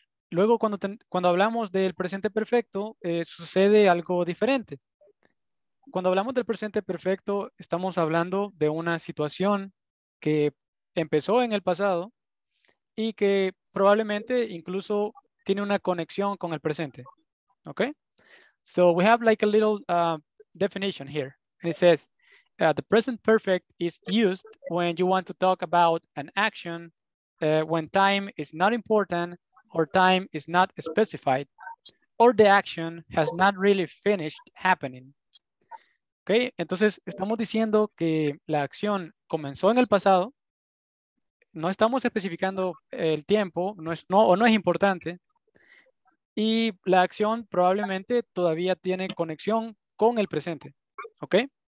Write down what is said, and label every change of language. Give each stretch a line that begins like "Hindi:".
Spanish: Luego, cuando hablamos del presente perfecto, sucede algo diferente. Cuando hablamos del presente perfecto, estamos hablando de una situación que empezó en el pasado y que probablemente incluso tiene una conexión con el presente.
English: ¿Ok? So, we have like a little definition here. And it says, the present perfect is used when you want to talk about an action when time is not important or time is not specified or the action has not really finished happening.
Spanish: Okay, entonces estamos diciendo que la acción comenzó en el pasado. No estamos especificando el tiempo, no es importante. Y la acción probablemente todavía tiene conexión con el presente. Okay.